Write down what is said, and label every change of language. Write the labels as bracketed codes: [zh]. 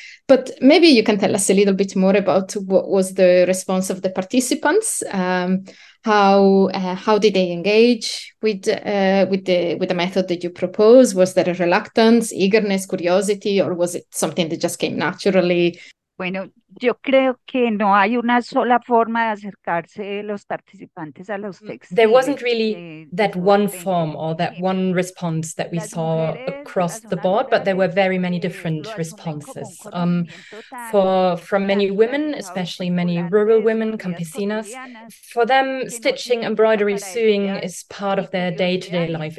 [en] But maybe you can tell us a little bit more about what was the response of the participants. How did they engage with the method that you propose? Was there a reluctance, eagerness, curiosity, or was it something that just came naturally? [es] Bueno, yo creo que no hay una sola forma de acercarse los participantes a los textiles. [en] There wasn't really that one form or that one response that we saw across the board, but there were very many different responses. From many women, especially many rural women, campesinas, for them, stitching, embroidery, sewing is part of their day-to-day life.